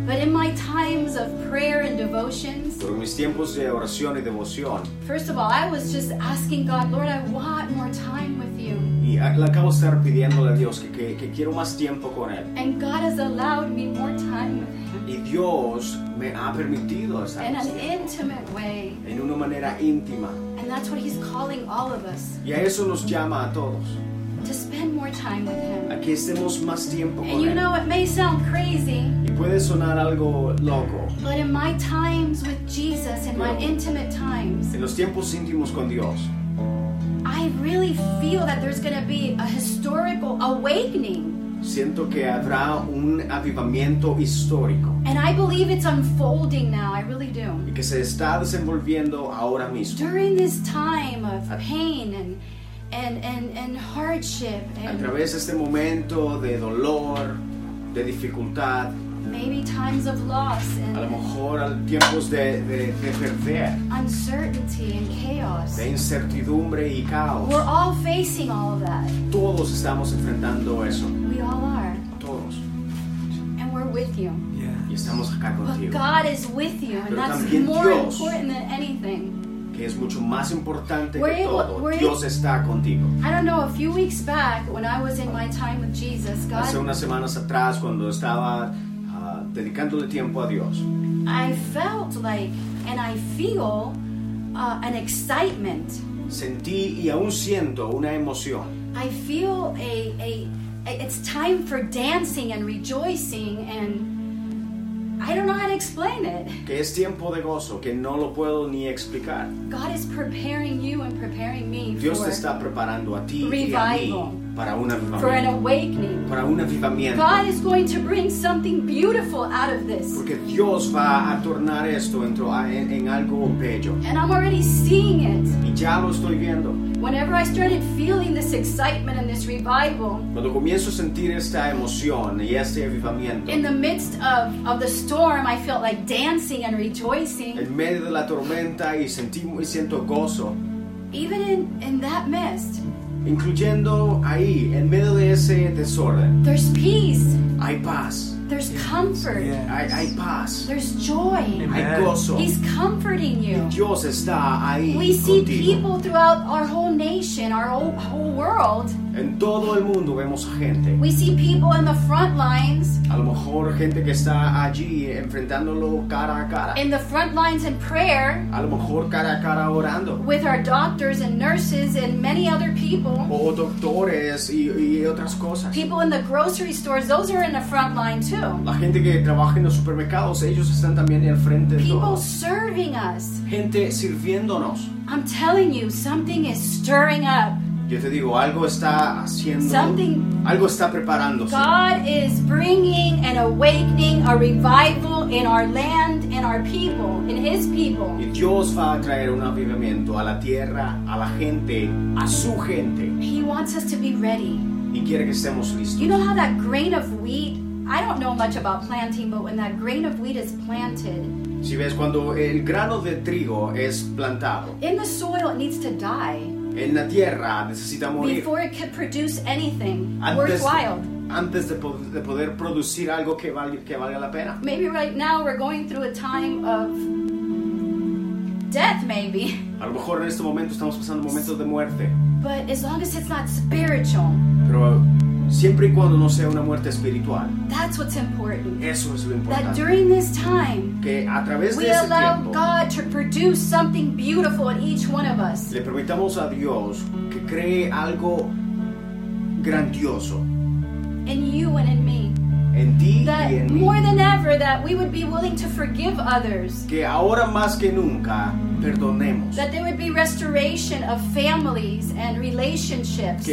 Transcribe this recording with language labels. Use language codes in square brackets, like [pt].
[en] But in my times of prayer and devotions, [es] pero en mis tiempos de oración y devoción, [en] first of all, I was just asking God, Lord, I want more time with you. [es] Y le acabo de estar pidiéndole a Dios que quiero más tiempo con él. [en] And God has allowed me more time with him. [es] Y Dios me ha permitido estar [en] in an intimate way. [es] En una manera íntima. [en] And that's what he's calling all of us. [es] Y a eso nos llama a todos. [en] To spend more time with him. [es] A que estemos más tiempo con él. [en] You know, it may sound crazy. [es] Y puede sonar algo loco. [en] But in my times with Jesus, in my intimate times. [es] En los tiempos íntimos con Dios. [en] I really feel that there's going to be a historical awakening. [es] Siento que habrá un avivamiento histórico. [en] And I believe it's unfolding now. I really do. [es] Y que se está desenvolviendo ahora mismo. [en] During this time of pain and hardship and [es] a través de este momento de dolor, de dificultad, [en] maybe times of loss and [es] a lo mejor tiempos de perder, [en] uncertainty and chaos, [es] de incertidumbre y caos, [en] we're all facing all of that. [es] Todos estamos enfrentando eso. [en] We all are. [es] Todos. [en] And we're with you. Yeah. [es] Y estamos acá contigo. [en] But God is with you. [es] Pero [en] and [es] también [en] More important than anything. [es] Es mucho más importante que todo. Dios está contigo. [en] I don't know, a few weeks back when I was in my time with Jesus, God, [es] hace unas semanas atrás cuando estaba dedicándole tiempo a Dios, [en] I felt like and I feel an excitement. [es] Sentí y aún siento una emoción. [en] I feel it's time for dancing and rejoicing and I don't know how to explain it. [es] Que es tiempo de gozo, que no lo puedo ni explicar. [en] God is preparing you and preparing me for [es] Dios te está preparando a ti [en] revival, [es] y a mí para un avivamiento, [en] for an awakening. [es] Para un avivamiento. [en] God is going to bring something beautiful out of this. [es] Porque Dios va a tornar esto en algo bello. [en] And I'm already seeing it. [es] Y ya lo estoy viendo. [en] Whenever I started feeling this excitement and this revival, [es] cuando comienzo a sentir esta emoción y este avivamiento, [en] in the midst of the storm, I felt like dancing and rejoicing. [es] En medio de la tormenta y siento gozo. [en] Even in that mist, [es] incluyendo ahí, en medio de ese desorden, [en] there's peace. [es] Hay paz. [en] There's comfort. Yes. [es] Hay paz. [en] There's joy. [es] Hay gozo. [en] He's comforting you. [es] Dios está ahí [en] we see [es] contigo. [en] People throughout our whole nation, our whole world. [es] En todo el mundo vemos gente. [en] We see people in the front lines. [es] A lo mejor gente que está allí enfrentándolo cara a cara. [en] In the front lines in prayer. [es] A lo mejor cara a cara orando. [en] With our doctors and nurses and many other people. [es] O doctores y otras cosas. [en] People in the grocery stores, those are in the front line too. [es] La gente que trabaja en los supermercados, ellos están también en el frente de [en] people People serving us. [es] Gente sirviéndonos. [en] I'm telling you, something is stirring up. [es] Yo te digo, algo está haciendo, [en] something, [es] algo está preparándose. [en] God is bringing an awakening, a revival in our land, in our people, in His people. [es] Y Dios va a traer un avivamiento a la tierra, a la gente, a su gente. [en] He wants us to be ready. [es] Y quiere que estemos listos. [en] You know how that grain of wheat, I don't know much about planting, but when that grain of wheat is planted, [es] si ves cuando el grano de trigo es plantado, [en] in the soil it needs to die. [es] En la tierra necesita morir. [en] Before it can produce anything worthwhile. [es] Antes de poder producir algo que valga la pena. [en] Maybe right now we're going through a time of death, maybe. [es] A lo mejor en este momento estamos pasando momentos de muerte. [en] But as long as it's not spiritual. [es] Pero siempre y cuando no sea una muerte espiritual. [en] That's what's important. [es] Eso es lo importante. [en] That during this time, [es] que a través [en] we [es] de ese [en] allow [es] tiempo, [en] God to produce something beautiful in each one of us. [es] Le permitamos a Dios que cree algo grandioso. [en] In you and in me. [es] En ti [en] that [es] y en mí. [en] More than ever that we would be willing to forgive others. [es] Que ahora más que nunca perdonemos. [en] That there would be restoration of families and relationships.